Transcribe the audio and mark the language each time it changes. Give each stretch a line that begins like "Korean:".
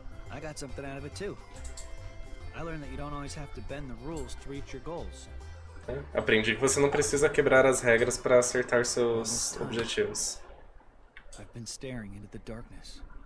English: I got something out of it too. I learned that you don't always have to bend the rules to reach your goals.
Portuguese: Aprendi que você não precisa quebrar as regras para acertar seus objetivos.
English: I've been staring into the darkness.